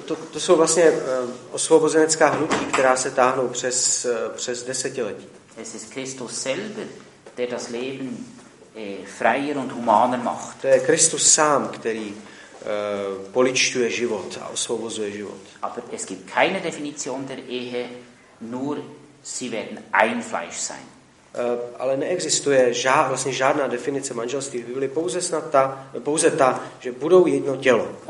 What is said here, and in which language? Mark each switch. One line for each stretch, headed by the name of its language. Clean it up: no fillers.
Czech: To jsou vlastně osvobozenecká hnutí, která se táhnou přes desetiletí.
German: Es ist Christus selber, der das Leben freier und humaner macht.
Czech: To je Kristus sám, který poličťuje život a osvobozuje život.
German: Aber es gibt keine Definition der Ehe, nur sie werden ein Fleisch sein.
Czech: Ale neexistuje vlastně žádná definice manželství v Biblii, pouze ta, že budou jedno tělo.